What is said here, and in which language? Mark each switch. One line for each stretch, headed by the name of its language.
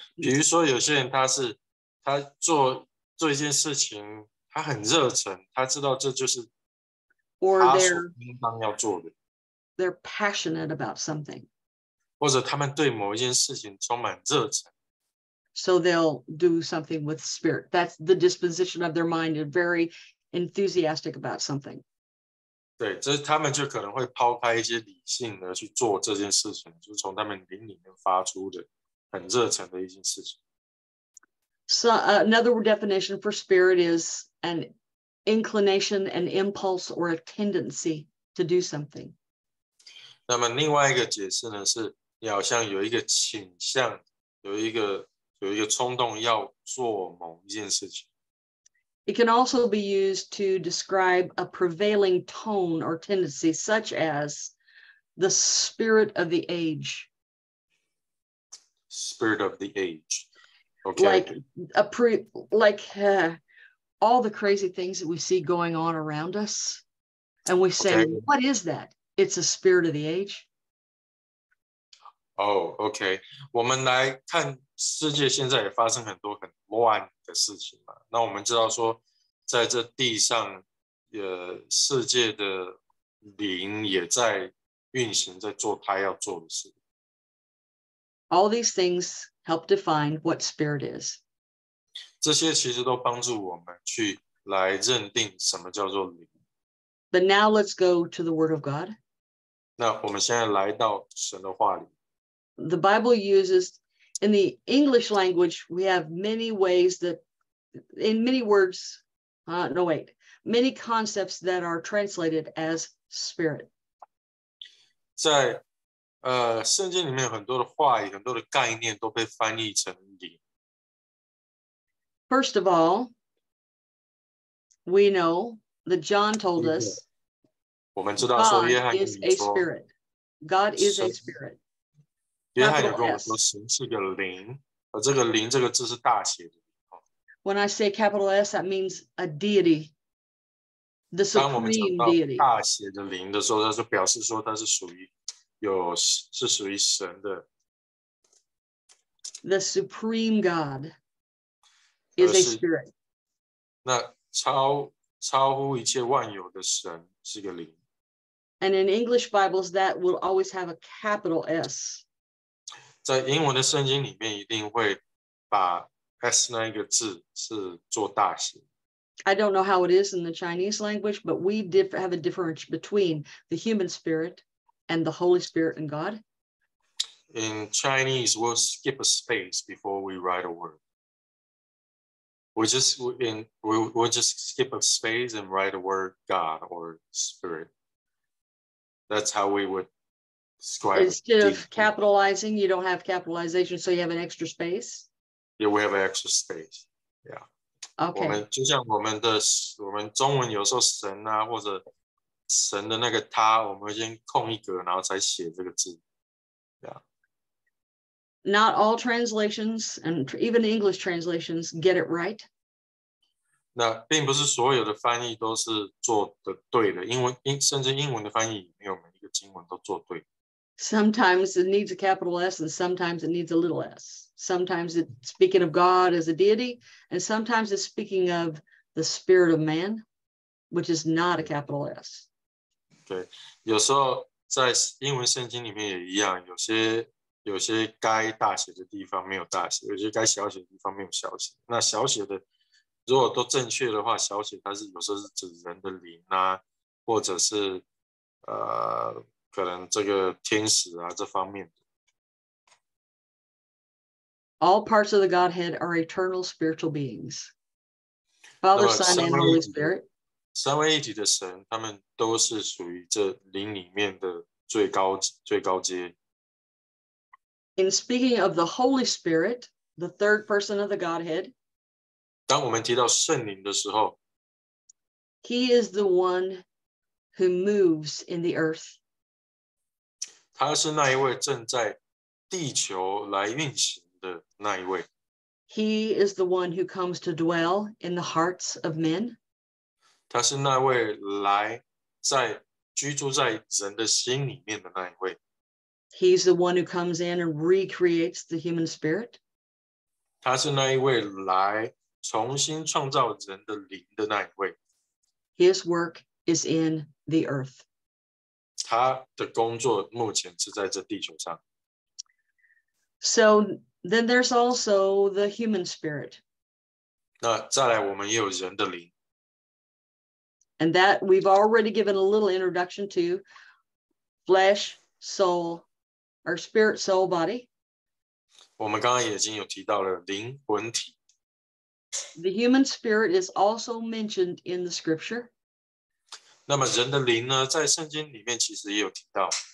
Chinese: 比如说有些人他是他做一件事情，他很热忱，他知道这就是他所应当要做的。
English: They're passionate about something.
Chinese: 或者他们对某一件事情充满热忱。
English: So they'll do something with spirit. That's the disposition of their mind, and very enthusiastic about something.
Chinese: 对，这他们就可能会抛开一些理性的去做这件事情，就是从他们灵里面发出的很热忱的一件事情。
English: So another definition for spirit is an inclination, an impulse, or a tendency to do something.
Chinese: 那么另外一个解释呢，是你好像有一个倾向，有一个冲动要做某一件事情。
English: It can also be used to describe a prevailing tone or tendency, such as the spirit of the age. Spirit of the age. Okay. Like all the crazy things that we see going on around us. And we say, okay. What is that? It's a spirit of the age. Oh, okay.
Chinese: 我们来看世界现在也发生很多很乱的事情嘛。那我们知道说在这地上世界的灵也在运行，在做他要做的事。
English: All these things help define what spirit is.
Chinese: 这些其实都帮助我们去来认定什么叫做灵。
English: But now let's go to the word of God.
Chinese: 那我们现在来到神的话里。
English: The Bible uses, in the English language, we have many ways that, in many words, many concepts that are translated as spirit.
Chinese: 在圣经里面很多的话语，很多的概念都被翻译成灵。
English: First of all, we know that John told us,
Chinese: 我们知道说约翰跟你说
English: God is a spirit. God is a spirit.
Chinese: 约翰有跟我说神是个灵，而这个灵这个字是大写的。
English: When I say capital S, that means a deity, the supreme deity.
Chinese: 当我们讲到大写的灵的时候，它就表示说它是属于有是属于神的。
English: The supreme God is a spirit.
Chinese: 那超乎一切万有的神是个灵。
English: And in English Bibles, that will always have a capital S.
Chinese: 在英文的圣经里面，一定会把S 那一个字是做大写。
English: I don't know how it is in the Chinese language, but we have a difference between the human spirit and the Holy Spirit and God. In Chinese, we'll skip a space before we write a word. We'll just skip a space and write a word God or Spirit. That's how we would describe Instead it. Instead of capitalizing, you don't have capitalization, so you have an extra space. Yeah, we have extra space. Yeah. Okay.
Chinese: 我们中文有时候神啊，或者神的那个他，我们先空一格，然后才写这个字。
English: Yeah. Not all translations and even English translations get it right.
Chinese: 那并不是所有的翻译都是做的对的，甚至英文的翻译也没有每一个经文都做对。
English: Sometimes it needs a capital S and sometimes it needs a little s. Sometimes it's speaking of God as a deity and sometimes it's speaking of the spirit of man, which is not a capital S. Okay.
Chinese: 有时候在英文圣经里面也一样，有些该大写的地方没有大写，有些该小写的地方没有小写。那小写的如果都正确的话，小写它是有时候是指人的灵啊，或者是可能这个天使啊这方面的。
English: All parts of the Godhead are eternal spiritual beings. Father, Son, and Holy Spirit.
Chinese: 三位一体的神，他们都是属于这灵里面的最高阶。
English: In speaking of the Holy Spirit, the third person of the Godhead,
Chinese: 当我们提到圣灵的时候，
English: He is the one who moves in the earth.
Chinese: 他是那一位正在地球来运行。那一位
English: He is the one who comes to dwell in the hearts of men.
Chinese: 他是那位来在居住在人的心里面的那一位。
English: He's the one who comes in and recreates the human spirit.
Chinese: 他是那一位来重新创造人的灵的那一位。
English: His work is in the earth.
Chinese: 他的工作目前是在这地球上。
English: So,Then there's also the human spirit.
Chinese: 那再来我们也有人的灵。
English: And that we've already given a little introduction to flesh, soul, or spirit, soul, body.
Chinese: 我们刚刚已经有提到了灵魂体。
English: The human spirit is also mentioned in the scripture.
Chinese: 那么人的灵呢，在圣经里面其实也有提到。